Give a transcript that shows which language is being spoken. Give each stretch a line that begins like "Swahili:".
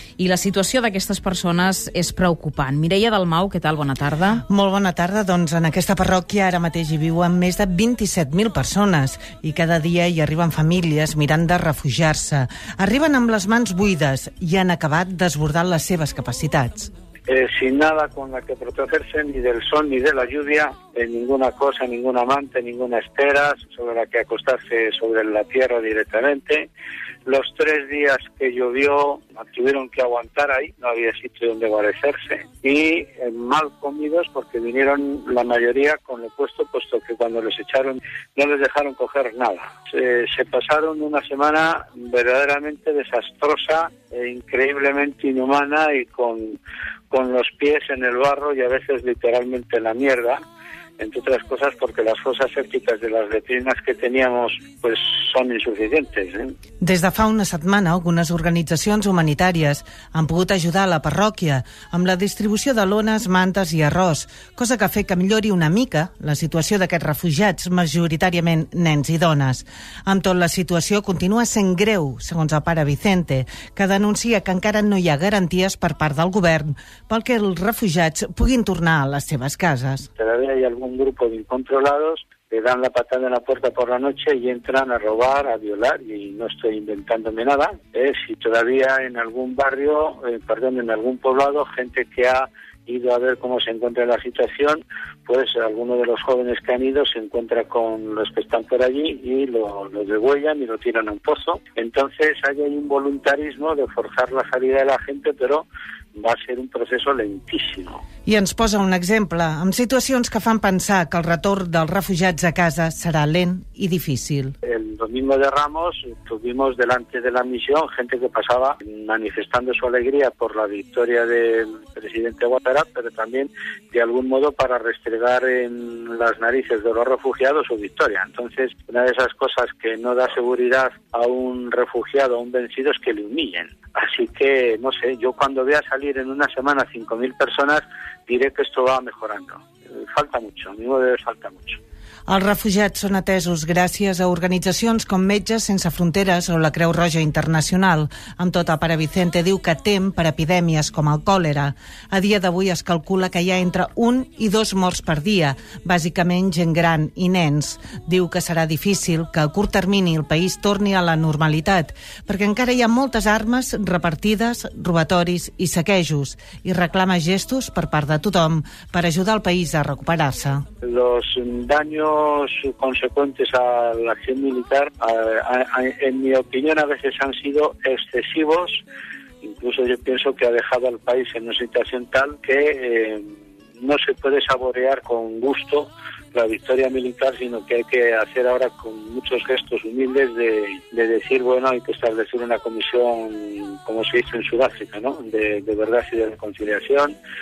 Catalan: I la situació d'aquestes persones és preocupant. Mireia Dalmau, què tal? Bona tarda. Molt bona tarda. Doncs en aquesta parròquia ara mateix hi viuen més de 27.000 persones i cada dia hi arriben famílies mirant de refugiar-se. Arriben amb les mans buides i han acabat desbordant les seves capacitats.
Spanish: sin nada con la que protegerse, ni del sol ni de la lluvia, ninguna cosa, ningún amante, ninguna estera sobre la que acostarse sobre la tierra directamente. Los tres días que llovió tuvieron que aguantar ahí, no había sitio donde guarecerse, y mal comidos porque vinieron la mayoría con lo puesto, puesto que cuando les echaron no les dejaron coger nada. Se pasaron una semana verdaderamente desastrosa, increíblemente inhumana y con los pies en el barro y a veces literalmente en la mierda. Entre otras cosas porque las fosas sépticas de les letrines que teníamos pues són insuficientes.
Catalan: Des de fa una setmana, algunes organitzacions humanitàries han pogut ajudar a la parròquia amb la distribució de lones, mantes i arròs, cosa que ha fet que millori una mica la situació d'aquests refugiats, majoritàriament nens i dones. Amb tot, la situació continua sent greu, segons el pare Vicente, que denuncia que encara no hi ha garanties per part del govern pel que els refugiats puguin tornar a les seves cases.
Spanish: Un grupo de incontrolados le dan la patada en la puerta por la noche y entran a robar, a violar, y no estoy inventándome nada. Si todavía en algún barrio, en algún poblado, gente que ha ido a ver cómo se encuentra la situación, pues alguno de los jóvenes que han ido se encuentra con los que están por allí y lo degüellan y lo tiran a un pozo. Entonces hay ahí un voluntarismo de forzar la salida de la gente, pero
Catalan: va ser un procés lentíssim. I ens posa un exemple, amb situacions que fan pensar que el retorn dels refugiats a casa serà lent i difícil.
Spanish: El domingo de Ramos tuvimos delante de la misión gente que pasaba manifestando su alegría por la victoria del presidente Guatara, pero también de algún modo para restregar en las narices de los refugiados su victoria. Entonces, una de esas cosas que no da seguridad a un refugiado, a un vencido, es que le humillen. Así que, no sé, yo cuando vea salir en una semana 5.000 personas, diré que esto va mejorando. Falta mucho, a mi modo de ver, falta mucho.
Catalan: Els refugiats són atesos gràcies a organitzacions com Metges Sense Fronteres o la Creu Roja Internacional. Amb tot, el pare Vicente diu que tem per epidèmies com el còlera. A dia d'avui es calcula que hi ha entre un i dos morts per dia, bàsicament gent gran i nens. Diu que serà difícil que a curt termini el país torni a la normalitat, perquè encara hi ha moltes armes repartides, robatoris i saquejos, i reclama gestos per part de tothom per ajudar el país a recuperar-se.
Spanish: Los daños consecuentes a la acción militar, en mi opinión, a veces han sido excesivos. Incluso yo pienso que ha dejado al país en una situación tal que no se puede saborear con gusto la victoria militar, sino que hay que hacer ahora con muchos gestos humildes de decir, bueno, hay que establecer una comisión, como se hizo en Sudáfrica, ¿no?, de verdad y de reconciliación.